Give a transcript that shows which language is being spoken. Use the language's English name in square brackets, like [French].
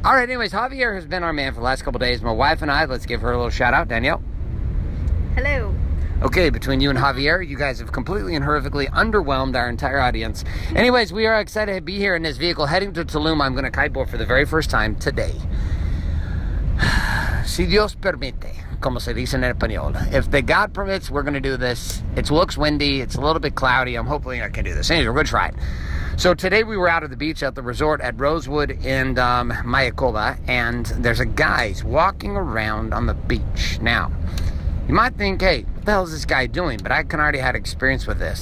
[English] All right, anyways, Javier has been our man for the last couple days. My wife and I, let's give her a little shout out. Danielle. Hello. Okay, between you and Javier, you guys have completely and horrifically underwhelmed our entire audience. Anyways, we are excited to be here in this vehicle heading to Tulum. I'm going to kiteboard for the very first time today. [Spanish] Si Dios permite, como se dice en español. [English] If the God permits, we're going to do this. It looks windy. It's a little bit cloudy. I'm hoping I can do this. Anyways, we're going to try it. So today we were out at the beach at the resort at Rosewood in Mayacoba, and there's a guy walking around on the beach. Now, you might think, hey, what the hell is this guy doing? But I can already have experience with this.